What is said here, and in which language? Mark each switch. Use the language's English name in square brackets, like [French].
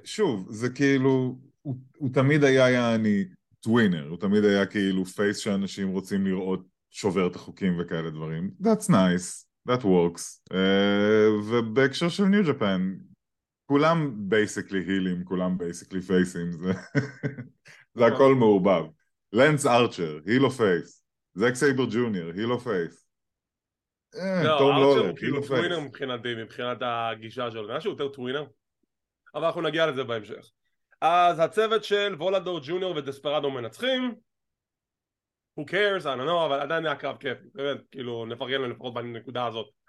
[Hebrew] שוב, זה כאילו, הוא תמיד היה יעני טווינר, הוא תמיד היה כאילו פייס שאנשים רוצים לראות שובר את החוקים וכאלה דברים. [English] That's nice. That works. [Hebrew] ובהקשר של ניו ג'פן, כולם basically healing, כולם basically facing, זה הכל מעורבב. לנס ארצ'ר, heal of face. זק סייבר ג'וניור, heal of face. לא, ארצ'ר הוא כאילו טווינר מבחינתי, מבחינת הגישה שלו. נראה שהוא יותר טווינר? אבל אנחנו נגיע לזה בהמשך. אז הצוות של וולדור ג'וניור ודספרדו מנצחים. [English] Who cares? I don't know, [Hebrew] אבל עדיין היה קרב כיף. באמת, כאילו, נפרגן לו לפחות בנקודה הזאת.